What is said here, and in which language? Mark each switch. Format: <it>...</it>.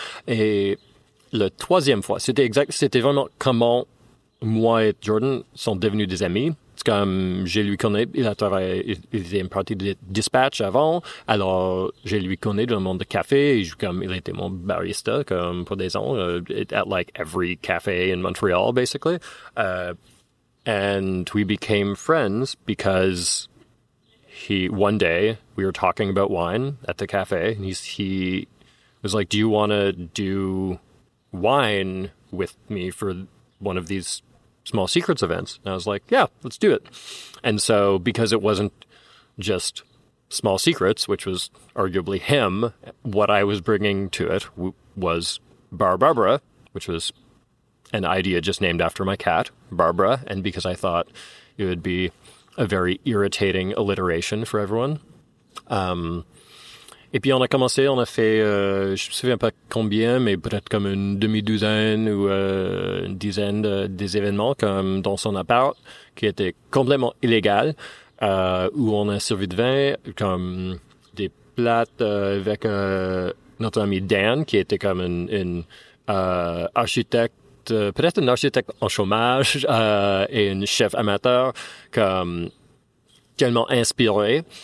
<fr>Et la troisième fois, c'était vraiment comment moi et Jordan sont devenus des amis. Comme je lui connais, il faisait une partie de dispatch avant, alors je lui connais dans le monde de café, comme il était mon barista comme pour des ans,</fr> <en>at like every café in Montreal, basically. And we became friends because one day we were talking about wine at the café, and he was like, do you want to do wine with me for one of these Small Secrets events? And I was like, yeah, let's do it. And so because it wasn't just Small Secrets, which was arguably him, what I was bringing to it was Bar Barbara, which was an idea just named after my cat, Barbara, and because I thought it would be a very irritating alliteration for everyone.</en> <fr>Et puis on a commencé, on a fait, je me souviens pas combien, mais peut-être comme une demi-douzaine ou une dizaine des événements comme dans son appart, qui était complètement illégal, où on a servi de vin, comme des plates avec notre ami Dan, qui était comme une architecte, peut-être un architecte en chômage et une chef amateur, comme tellement inspiré.</fr>